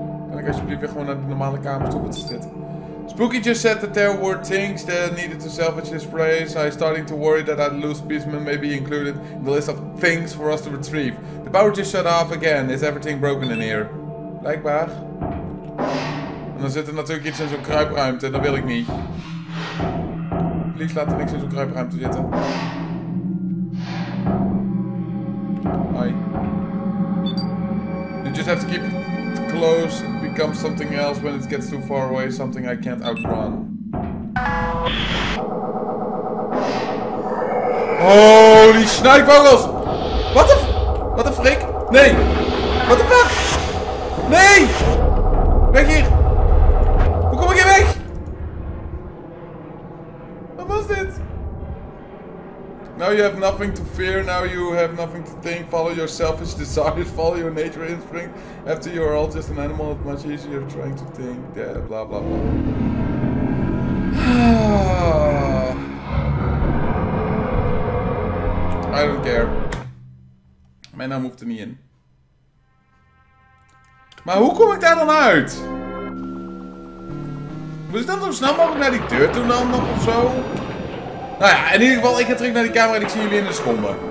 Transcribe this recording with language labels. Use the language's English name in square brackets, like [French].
[Dutch] Kan ik alsjeblieft weer gewoon naar de normale kamers toe, wat is dit? [English] Spooky just said that there were things that needed to salvage this place. I'm starting to worry that that loose basement may be included in the list of things for us to retrieve. The power just shut off again. Is everything broken in here? [Dutch] Blijkbaar. En dan zit er natuurlijk iets in zo'n kruipruimte, dat wil ik niet. Please laat er niks in zo'n kruipruimte zitten. [English] You just have to keep it close, it becomes something else when it gets too far away, something I can't outrun. [Dutch] Oh, die snijvogels! Wat de frik? Nee! [English] What the fuck? [Dutch] Nee! Weg hier! Hoe kom ik hier weg? Wat was dit? [English] Now you have nothing to fear, now you have nothing to think, follow your selfish desires, follow your nature instinct. After you are all just an animal, it's much easier trying to think, yeah, blah blah blah. I don't care. [Dutch] Mijn naam hoeft er niet in. Maar hoe kom ik daar dan uit? Moet ik dan zo snel mogelijk naar die deur toe dan nog ofzo? Nou ja, in ieder geval, ik ga terug naar die camera en ik zie jullie in de seconde.